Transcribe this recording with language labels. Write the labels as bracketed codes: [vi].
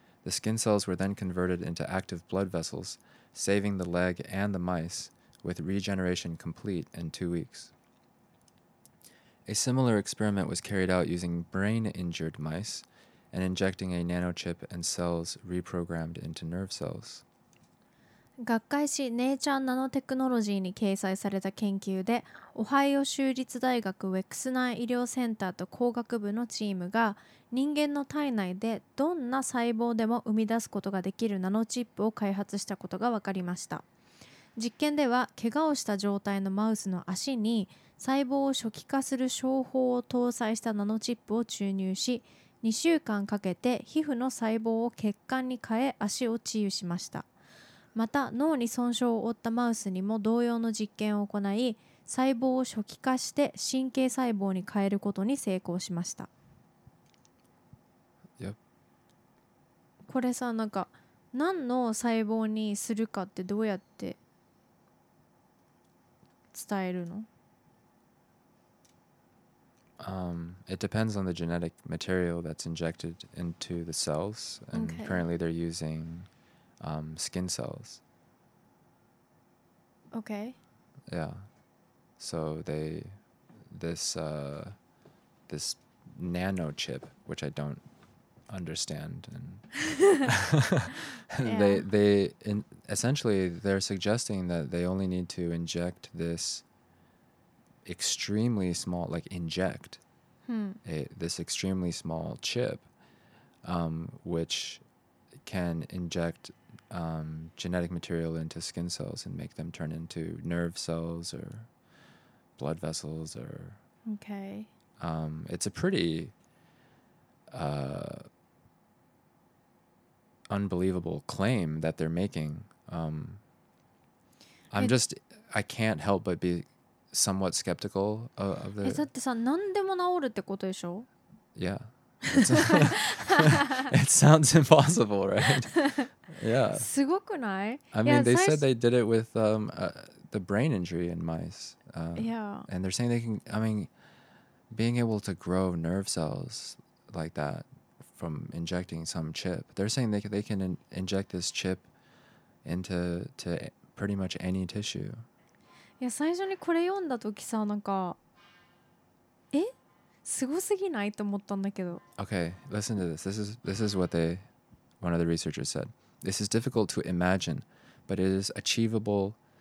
[en] The skin cells were then converted into active blood vessels, saving the leg and the mice, with regeneration complete in 2 weeks. A similar experiment was carried out using brain-injured mice and injecting a nanochip and cells reprogrammed into nerve cells. [ja] 学会誌ネイチャーナノテクノロジーに掲載された研究で、オハイオ州立大学ウェクスナー医療センターと工学部のチームが、人間の体内でどんな細胞でも生み出すことができるナノチップを開発したことが分かりました。実験では、怪我をした状態のマウスの足に細胞を初期化する小胞を搭載したナノチップを注入し、2週間かけて皮膚の細胞を血管に変え足を治癒しました。また脳に損傷を負ったマウスにも同様の実験を行い、細胞を初期化して神経細胞に変えることに成功しました。 [en] Yep. [ja] これさ、なんか何の細胞にするかってどうやって伝えるの？ [en] It depends on the genetic material that's injected into the cells, and okay. currently they're using... skin cells. Okay. Yeah. So they, this nano chip, which I don't understand, and essentially they're suggesting that they only need to inject this extremely small, like inject this extremely small chip, which can inject. Genetic material into skin cells and make them turn into nerve cells or blood vessels or... Okay. It's a pretty unbelievable claim that they're making. I can't help but be somewhat skeptical of the... [ja] え、だってさ、何でも治るってことでしょ? [en] Yeah. It sounds impossible, right? Yeah. [ja] すごくない? [en] I mean, they said they did it with the brain injury in mice. And they're saying they can, I mean, being able to grow nerve cells like that from injecting some chip, they're saying they can inject this chip into to pretty much any tissue. [ja] いや、最初にこれ読んだ時さ、なんか、え? すごすぎない?と思ったんだけど。 [en] Okay, listen to this. This is what one of the researchers said. This is difficult to imagine, but it is achievable.